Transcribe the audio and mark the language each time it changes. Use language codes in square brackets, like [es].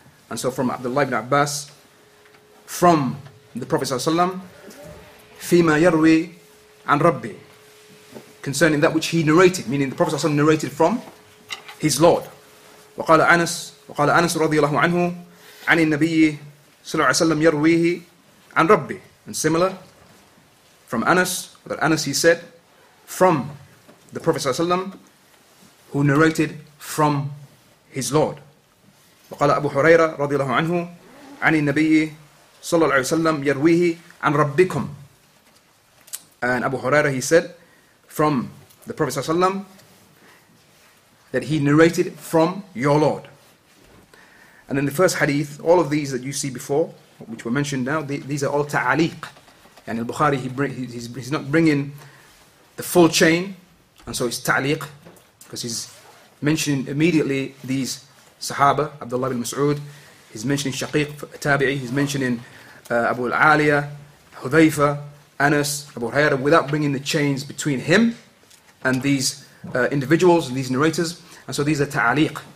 [en] And so from Abdullah ibn Abbas, from the Prophet صلى الله عليه وسلم, [ar] فيما يروي عن ربه, [en] concerning that which he narrated, meaning the Prophet صلى الله عليه وسلم narrated from his Lord. [ar] وقال أنس, وقال أنس رضي الله عنه عن النبي صلى الله عليه وسلم يرويه عن ربه. [en] And similar from Anas, that Anas, he said from the Prophet صلى الله عليه وسلم, who narrated from his Lord. [ar] وقال أبو هريرة رضي الله عنه عن النبي صلى الله عليه وسلم يرويه عن ربكم. [en] And Abu Hurairah, he said from the Prophet صلى الله عليه وسلم that he narrated from your Lord. And in the first hadith, all of these that you see before, which were mentioned now, these are all ta'aliq. And al-Bukhari, he's not bringing the full chain, and so it's ta'aliq, because he's mentioning immediately these sahaba, Abdullah ibn Mas'ud, he's mentioning Shaqiq Tabi'i, he's mentioning Abu al-Aliya, Hudhayfa, Anas, Abu Hurairah, without bringing the chains between him and these individuals, and these narrators. And so these are ta'aliq.